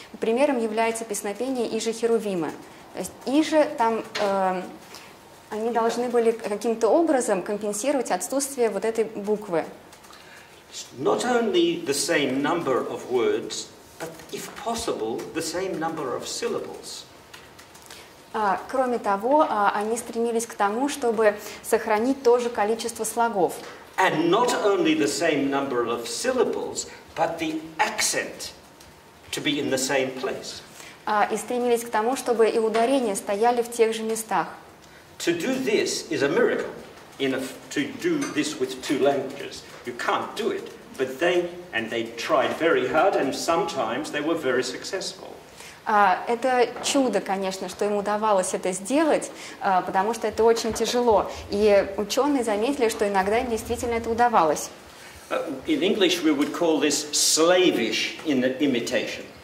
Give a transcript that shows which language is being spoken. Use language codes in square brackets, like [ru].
[ru] Примером является песнопение Иже Херувима. То есть Иже там они должны были каким-то образом компенсировать отсутствие вот этой буквы. [en] Not only the same number of words, but if possible, the same number of syllables. [ru] Кроме того, они стремились к тому, чтобы сохранить то же количество слогов. [en] And not only the same number of syllables, but the accent to be in the same place. [ru] И стремились к тому, чтобы и ударения стояли в тех же местах. [en] To do this is a miracle. To do this with two languages, you can't do it. But they tried very hard, and sometimes they were very successful. [ru] Это чудо, конечно, что им удавалось это сделать, потому что это очень тяжело. И ученые заметили, что иногда им действительно это удавалось. [en] In English we would call this slavish in the imitation.